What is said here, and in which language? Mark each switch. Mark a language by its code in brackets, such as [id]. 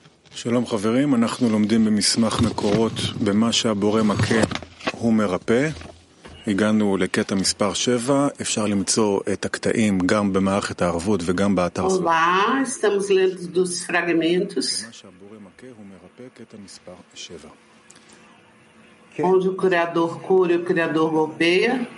[he] שלום חברים, אנחנו לומדים במסמך מקורות במה שהבורא מכה הוא מרפא. הגענו לקטע מספר 7, אפשר למצוא את הקטעים גם במערכת הערבות וגם באתר סוף. [pt] Olá, estamos lendo dos fragmentos. [he] במה שהבורא מכה הוא מרפא, קטע מספר 7. [pt] Onde o criador cura e o criador golpeia.